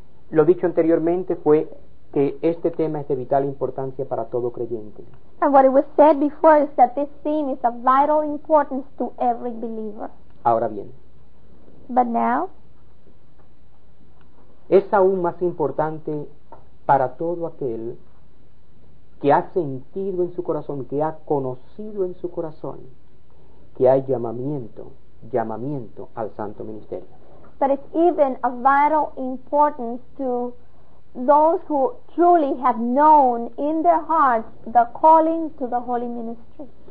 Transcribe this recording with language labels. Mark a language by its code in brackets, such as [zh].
[es] Lo dicho anteriormente fue que este tema es de vital importancia para todo creyente. [en] And what it was said before is that this theme is of vital importance to every believer. [es] Ahora bien. [en] But now. [es] Es aún más importante para todo aquel que ha sentido en su corazón, que ha conocido en su corazón, que hay llamamiento al santo ministerio. [en] But it's even of vital importance to those who truly have known in their hearts the calling to the holy ministry.